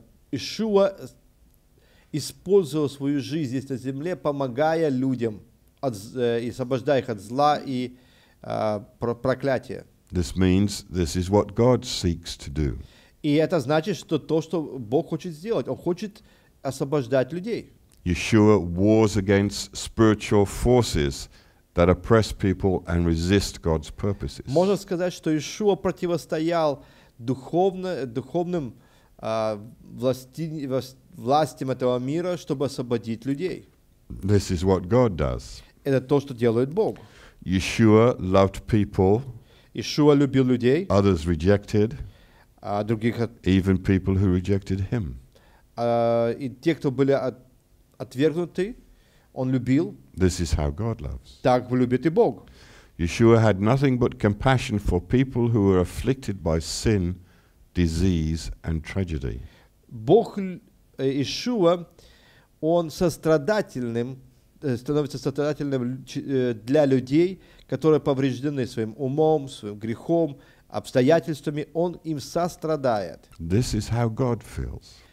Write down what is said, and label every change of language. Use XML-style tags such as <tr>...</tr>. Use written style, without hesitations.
<ru>Иешуа использовал свою жизнь здесь на земле, помогая людям и освобождая их от зла и проклятия.</ru> <en>This means this is what God seeks to do.</en> <ru>И это значит, что то, что Бог хочет сделать, Он хочет освобождать людей.</ru> <en>Yeshua wars against spiritual forces that oppress people and resist God's purposes.</en> <ru>Можно сказать, что Иешуа противостоял духовным властям этого мира, чтобы освободить людей.</ru> <en>This is what God does.</en> <ru>Это то, что делает Бог.</ru> <en>Yeshua loved people.</en> <ru>Иешуа любил людей.</ru> <en>Others rejected.</en> <ru>Других</ru> <en>even people who rejected him.</en> <ru>И те, кто были отвергнуты, он любил.</ru> <en>This is how God loves.</en> <ru>Так любит и Бог.</ru> <en>Yeshua had nothing but compassion for people who were afflicted by sin, disease and tragedy.</en> <ru>Бог Иешуа, он сострадательным становится сострадательным для людей, которые повреждены своим умом, своим грехом, обстоятельствами. Он им сострадает.</ru> <en>This is how God feels.</en>